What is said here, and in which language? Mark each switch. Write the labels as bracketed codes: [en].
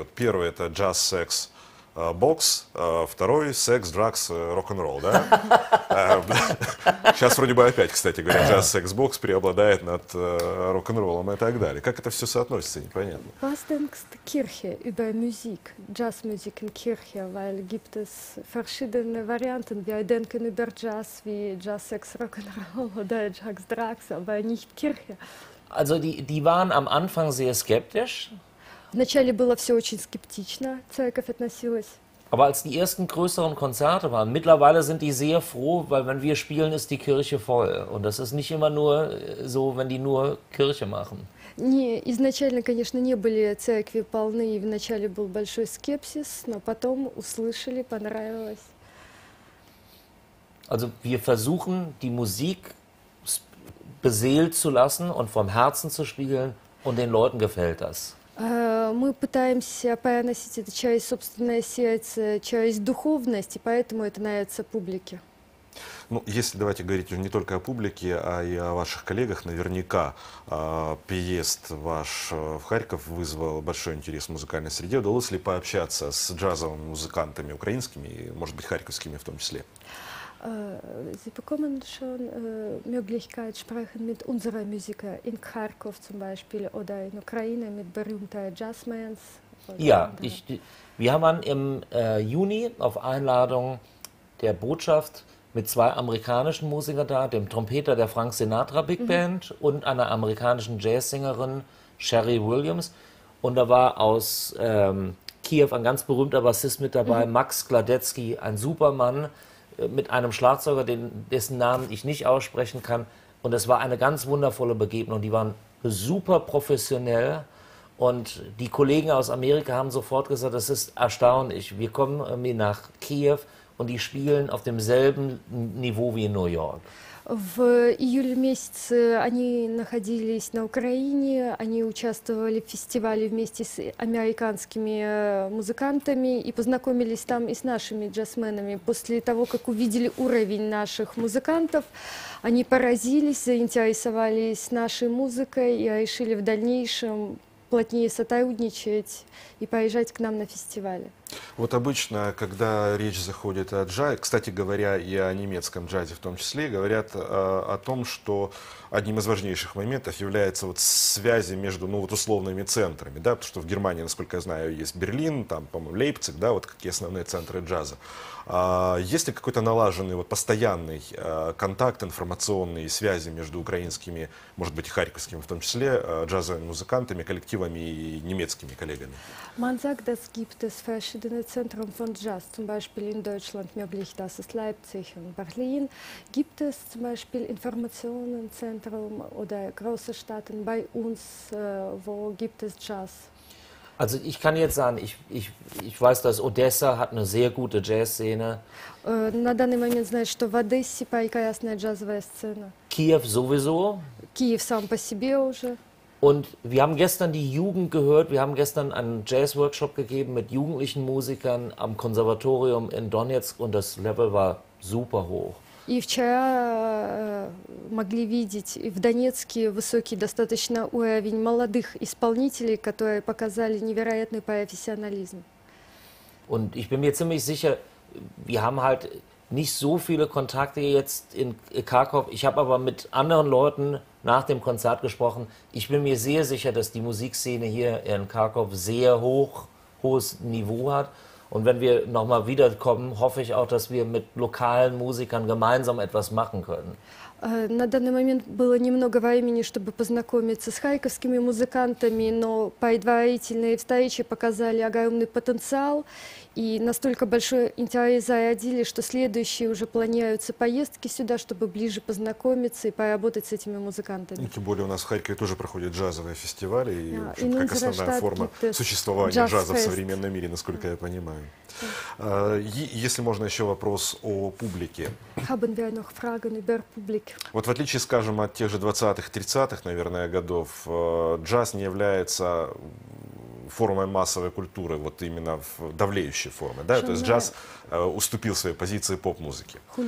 [ru] Вот первый — это джаз, секс, бокс, второй — секс, дракс, рок-н-ролл, да? Сейчас вроде бы опять, кстати говоря, джаз, секс, бокс преобладает над рок-н-роллом и так далее. Как это все соотносится, непонятно. [de] Was denkst du Kirche über Musik, Jazzmusik in Kirche? Weil gibt es verschiedene Varianten. Wir denken über Jazz wie Jazz, Sex, Rock'n'Roll oder Jazz, Drugs, aber nicht Kirche. Also die waren am Anfang sehr skeptisch. [ru] Вначале было все очень скептично, церковь относилась. [de] Aber als die ersten größeren Konzerte waren, mittlerweile sind die sehr froh, weil wenn wir spielen, ist die Kirche voll. Und das ist nicht immer nur so, wenn die nur Kirche machen. Nee, [ru] изначально, конечно, не были церкви полны, и вначале был большой скепсис, но потом услышали, понравилось. [de] Also wir versuchen, die Musik beseelt zu lassen und vom Herzen zu spielen, und den Leuten gefällt das. [ru] Мы пытаемся переносить это через собственное сердце, через духовность, и поэтому это нравится публике. Ну, если давайте говорить уже не только о публике, а и о ваших коллегах, наверняка приезд ваш в Харьков вызвал большой интерес в музыкальной среде. Удалось ли пообщаться с джазовыми музыкантами украинскими, может быть, харьковскими в том числе? [de] Sie bekommen schon Möglichkeit, sprechen mit unserer Musiker in Kharkov zum Beispiel oder in Ukraine mit berühmten Jazzmans. Ja, wir haben im Juni auf Einladung der Botschaft mit zwei amerikanischen Musikern da, dem Trompeter der Frank Sinatra Big Band und einer amerikanischen Jazzsängerin Sherry Williams. Und da war aus Kiew ein ganz berühmter Bassist mit dabei, Max Gladetzky, ein Supermann. Mit einem Schlagzeuger, dessen Namen ich nicht aussprechen kann. Und es war eine ganz wundervolle Begegnung. Die waren super professionell. Und die Kollegen aus Amerika haben sofort gesagt, das ist erstaunlich. Wir kommen irgendwie nach Kiew und die spielen auf demselben Niveau wie in New York. [ru] В июле месяце они находились на Украине, они участвовали в фестивале вместе с американскими музыкантами и познакомились там и с нашими джазменами. После того, как увидели уровень наших музыкантов, они поразились, заинтересовались нашей музыкой и решили в дальнейшем плотнее сотрудничать и поезжать к нам на фестивале. Вот обычно, когда речь заходит о джазе, кстати говоря, и о немецком джазе в том числе, говорят о том, что одним из важнейших моментов является вот связи между ну, вот условными центрами. Да? Потому что в Германии, насколько я знаю, есть Берлин, там, по-моему, Лейпциг, да, вот какие основные центры джаза. А есть ли какой-то налаженный, вот, постоянный контакт информационный и связи между украинскими, может быть, харьковскими в том числе, джазовыми музыкантами, коллективами и немецкими коллегами? [de] Man sagt, es gibt verschiedene Zentren von Jazz, zum Beispiel in Deutschland möglich, das ist Leipzig und Berlin. Gibt es zum Beispiel Informationszentrum oder große Städte bei uns, wo gibt es Jazz? Also ich kann jetzt sagen, ich weiß, dass Odessa hat eine sehr gute Jazzszene. [ru] На данный момент знаю, что в Одессе прекрасная джазовая сцена. [de] Kiew sowieso. [ru] Kiew сам по себе уже. [de] Und wir haben gestern die Jugend gehört, wir haben gestern einen Jazz-Workshop gegeben mit jugendlichen Musikern am Konservatorium in Donetsk und das Level war super hoch. [ru] И вчера могли видеть в Донецке высокий достаточно уровень молодых исполнителей, которые показали невероятный профессионализм. [de] Und ich bin mir ziemlich sicher, wir haben halt nicht so viele Kontakte jetzt in Kharkov. Ich habe aber mit anderen Leuten nach dem Konzert gesprochen. Ich bin mir sehr sicher, dass die Musikszene hier in Kharkov sehr hohes Niveau hat. Und wenn wir nochmal wiederkommen, hoffe ich auch, dass wir mit lokalen Musikern gemeinsam etwas machen können. [ru] На данный момент было немного времени, чтобы познакомиться с харьковскими музыкантами, но предварительные встречи показали огромный потенциал и настолько большой интерес зародили, что следующие уже планируются поездки сюда, чтобы ближе познакомиться и поработать с этими музыкантами. Ну, тем более у нас в Харькове тоже проходят джазовые фестивали, и, в общем, как основная форма существования джаза в современном мире, насколько я понимаю. Если можно еще вопрос о публике. [de] Haben wir noch Fragen über Publikum? [ru] Вот в отличие, скажем, от тех же 20-х, 30-х, наверное, годов, джаз не является формой массовой культуры, вот именно в давлеющей форме, да? То есть джаз уступил своей позиции поп-музыке.